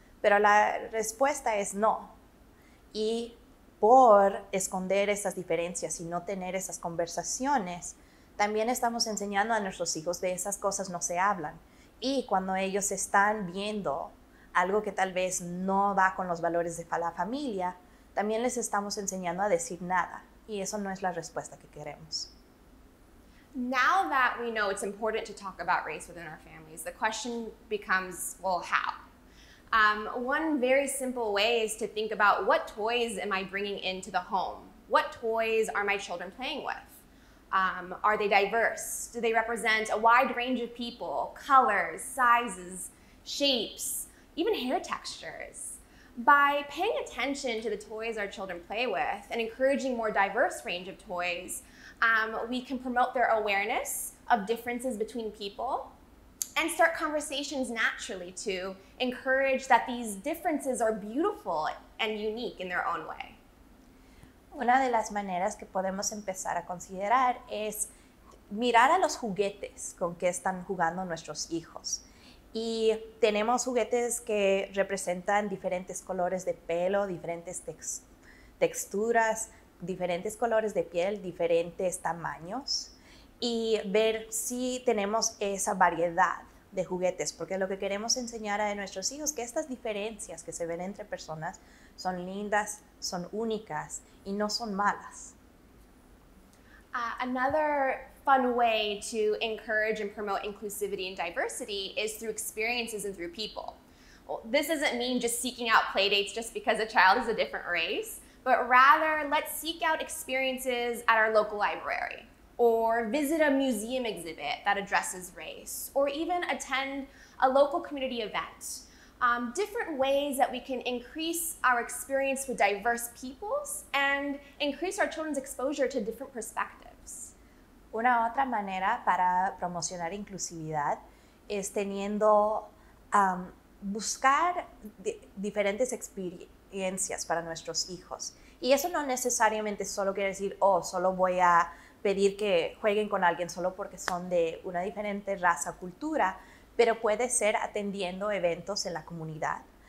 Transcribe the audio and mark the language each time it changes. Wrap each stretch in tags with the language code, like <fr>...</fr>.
<es>Pero la respuesta es no. Y por esconder esas diferencias y no tener esas conversaciones, también estamos enseñando a nuestros hijos de esas cosas no se hablan. Y cuando ellos están viendo algo que tal vez no va con los valores de la familia, también les estamos enseñando a decir nada. Y eso no es la respuesta que queremos.</es> <en>Now that we know it's important to talk about race within our families, the question becomes, well, how? One very simple way is to think about what toys am I bringing into the home? What toys are my children playing with? Are they diverse? Do they represent a wide range of people, colors, sizes, shapes, even hair textures? By paying attention to the toys our children play with and encouraging more diverse range of toys, we can promote their awareness of differences between people and start conversations naturally to encourage that these differences are beautiful and unique in their own way.</en> <es>Una de las maneras que podemos empezar a considerar es mirar a los juguetes con que están jugando nuestros hijos. Y tenemos juguetes que representan diferentes colores de pelo, diferentes texturas, diferentes colores de piel, diferentes tamaños, y ver si tenemos esa variedad de juguetes, porque lo que queremos enseñar a nuestros hijos es que estas diferencias que se ven entre personas son lindas, son únicas y no son malas.</es> <en>Another fun way to encourage and promote inclusivity and diversity is through experiences and through people. Well, this doesn't mean just seeking out playdates just because a child is a different race, but rather let's seek out experiences at our local library or visit a museum exhibit that addresses race or even attend a local community event. Different ways that we can increase our experience with diverse peoples and increase our children's exposure to different perspectives.</en> <es>Una otra manera para promocionar inclusividad es teniendo, buscar diferentes experiencias para nuestros hijos. Y eso no necesariamente solo quiere decir, oh, solo voy a pedir que jueguen con alguien solo porque son de una diferente raza o cultura, pero puede ser atendiendo eventos en la comunidad.</es>